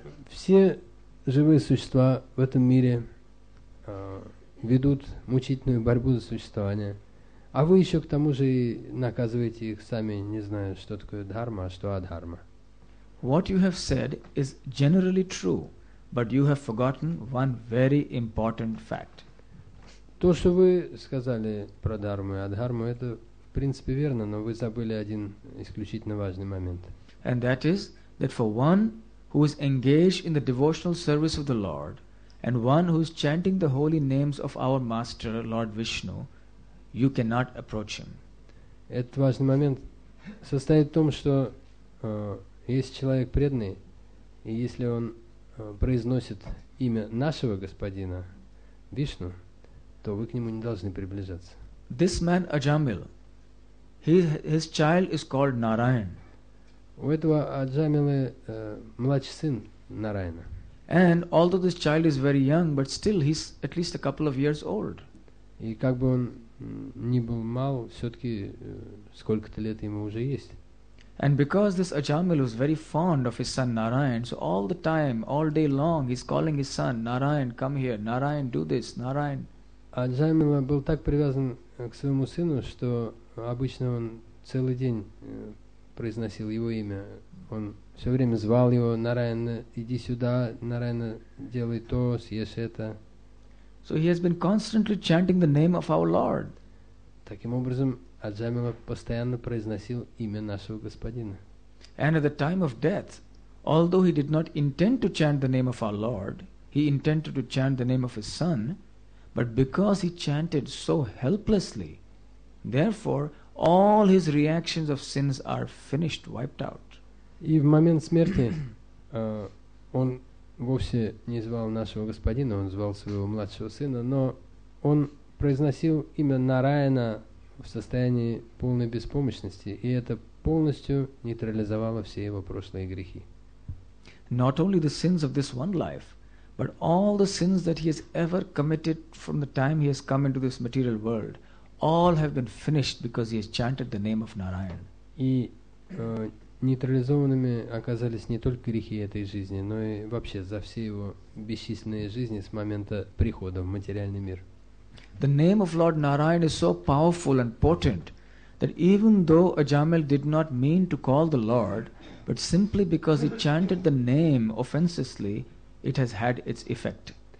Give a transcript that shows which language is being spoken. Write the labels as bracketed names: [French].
[Russian] Все живые существа в этом мире ведут мучительную борьбу за существование, а вы еще к тому же и наказываете их сами, не зная, что такое дхарма, а что адхарма. [English] What you have said is generally true, but you have forgotten one very important fact. [Russian] То, что вы сказали про дхарму и адхарму, это в принципе верно, но вы забыли один исключительно важный момент. [English] And that is that for one who is engaged in the devotional service of the Lord, and one who is chanting the holy names of our Master, Lord Vishnu, you cannot approach him. [Russian] Этот важный момент состоит в том, что если человек преданный, и если он произносит имя нашего господина Вишну, то вы к нему не должны приближаться. [English] This man Ajamil, his child is called Narayan. [Russian] У этого Аджамилы младший сын Нараяна. [English] And although this child is very young, but still he's at least a couple of years old. [Russian] И как бы он ни был мал, все-таки сколько-то лет ему уже есть. [English] And because this Ajamil was very fond of his son Narayan, so all the time, all day long, he's calling his son, Narayan, come here, Narayan, do this, Narayan. [Russian] Аджамила был так привязан к своему сыну, что обычно он целый день произносил его имя. Он все время звал его: Нараяна, иди сюда, Нараяна, делай то, съешь это. [English] So he has been constantly chanting the name of our Lord. [Russian] Таким образом, Аджамила постоянно произносил имя нашего господина. [English] And at the time of death, although he did not intend to chant the name of our Lord, he intended to chant the name of his son, but because he chanted so helplessly, therefore all his reactions of sins are finished, wiped out. [Russian] И в момент смерти он вовсе не звал нашего господина, он звал своего младшего сына, но он произносил имя Нараяна в состоянии полной беспомощности, и это полностью нейтрализовало все его прошлые грехи. [English] Not only the sins of this one life, but all the sins that he has ever committed from the time he has come into this material world, all have been finished because he has chanted the name of Narayan. [Russian] И нейтрализованными оказались не только грехи этой жизни, но и вообще за все его бесчисленные жизни с момента прихода в материальный мир. [English] The name of Lord Narayan is so powerful and potent that even though Ajamil did not mean to call the Lord, but simply because he chanted the name offenselessly, it has had its effect.